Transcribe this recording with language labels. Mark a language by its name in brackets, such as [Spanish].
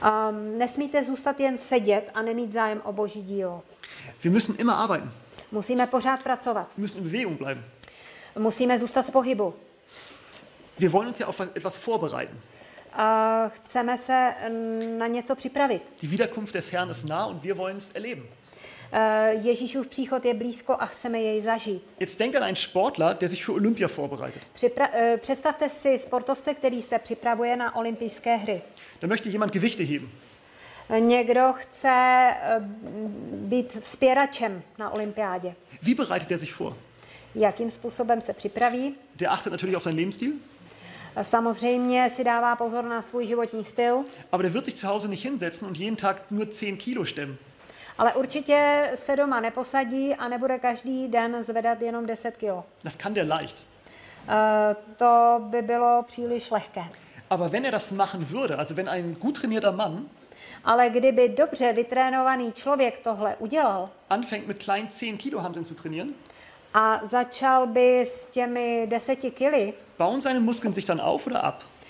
[Czech] Nesmíte zůstat jen sedět a nemít zájem o Boží dílo. [German] Wir müssen immer arbeiten. [Czech] Musíme pořád pracovat. [German] Wir müssen in Bewegung bleiben. [Czech] Musíme zůstat v pohybu. [German] Wir wollen uns ja auf etwas vorbereiten. [Czech] Chceme se na něco připravit. [German] Die Wiederkunft des Herrn ist nah und wir wollen es erleben. [Czech] Ježíšův příchod je blízko a chceme jej zažít. [German] Jetzt denk an einen Sportler, der sich für Olympia vorbereitet. [Czech] Představte si sportovce, který se připravuje na olympijské hry. [German] Da möchte jemand Gewichte heben. [Czech] Někdo chce být vzpěračem na olympiádě. [German] Wie bereitet er sich vor? [Czech] Jakým způsobem se připraví? [German] Der achtet natürlich auf seinen Lebensstil. [Czech] Samozřejmě si dává pozor na svůj životní styl. [German] Aber der wird sich zu Hause nicht hinsetzen und jeden Tag nur 10 Kilo stemmen. [Czech] Ale určitě se doma neposadí a nebude každý den zvedat jenom 10 kilo. [German] Das kann der leicht. [Czech] To by bylo příliš lehké. [German] Aber wenn er das machen würde, also wenn ein gut trainierter Mann, [Czech] ale kdyby dobře vytrénovaný člověk tohle udělal, [German] anfängt mit kleinen 10 kilo Hanteln zu trainieren, [Czech] a začal by s těmi 10 kili, [German] bauen seine Muskeln sich dann auf oder ab?